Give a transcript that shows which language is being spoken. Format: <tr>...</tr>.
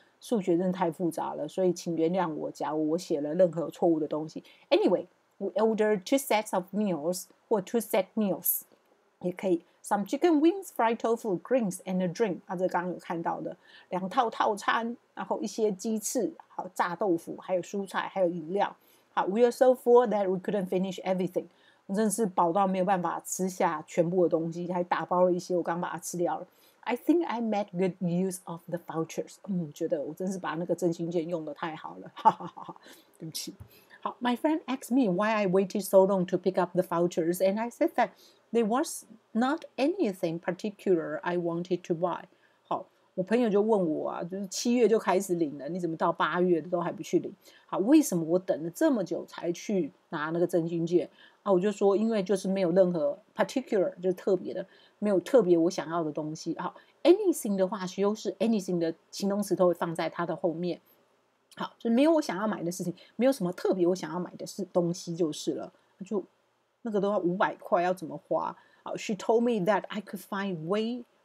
<zh>数学真的太复杂了，所以请原谅我，假如我写了任何错误的东西。</zh> <en>Anyway, we ordered 2 sets of meals, or 2 set meals,</en> <zh>也可以</zh> <en>some chicken wings, fried tofu, greens, and a drink.</en> <zh>啊，这刚刚有看到的两套套餐，然后一些鸡翅，好炸豆腐，还有蔬菜，还有饮料。</zh> <en>好 ，we are so full that we couldn't finish everything.</en> <zh>我真的是饱到没有办法吃下全部的东西，还打包了一些，我刚把它吃掉了。</zh> <en>I think I made good use of the vouchers.</en> <zh>嗯，觉得我真是把那个振兴券用得太好了，哈哈哈哈，对不起。</zh> <en>好 ，My friend asked me why I waited so long to pick up the vouchers, and I said that there was not anything particular I wanted to buy.</en> <zh>好，我朋友就问我啊，就是七月就开始领了，你怎么到8月都还不去领？好，为什么我等了这么久才去拿那个振兴券？啊，我就说因为就是没有任何 particular， 就是特别的。没有特别我想要的东西。好 ，anything 的话修饰 anything 的形容词都会放在它的后面。好，就没有我想要买的事情，没有什么特别我想要买的东西就是了。就那个都要500块，要怎么花？</zh> <en>好 ，She told me that I could find ways.</en>